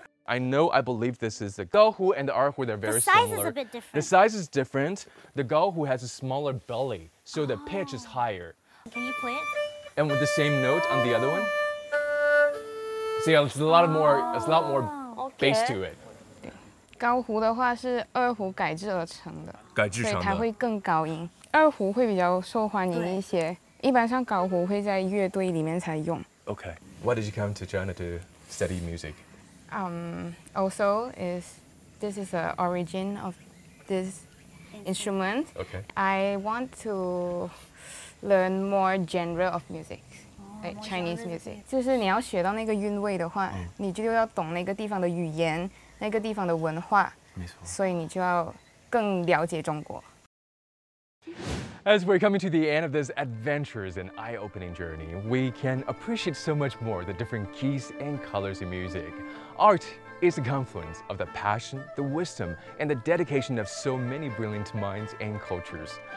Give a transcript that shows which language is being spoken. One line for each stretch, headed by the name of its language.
English: I know, I believe this is the gaohu and the arhu, they're very similar. The size similar. Is a bit different. The size is different. The gaohu has a smaller belly. So the pitch is higher. Can you play it? And with the same note on the other one? See, it's a lot more, it's a lot more bass to it.
Chinese: 高胡的话是二胡改制而成的。改制成的。对，它会更高音。二胡会比较受欢迎一些。一般上高胡会在乐队里面才用。
English: Okay. Why did you come to China to study music? Also, this is the origin of this. Instrument. Okay. I want to learn more genre of music, like Chinese music.
Chinese: 就是你要学到那个韵味的话，你就要懂那个地方的语言，那个地方的文化。没错。所以你就要更了解中国。
English: As we're coming to the end of this adventurous and eye-opening journey, we can appreciate so much more the different keys and colors in music, art. Is the confluence of the passion, the wisdom, and the dedication of so many brilliant minds and cultures.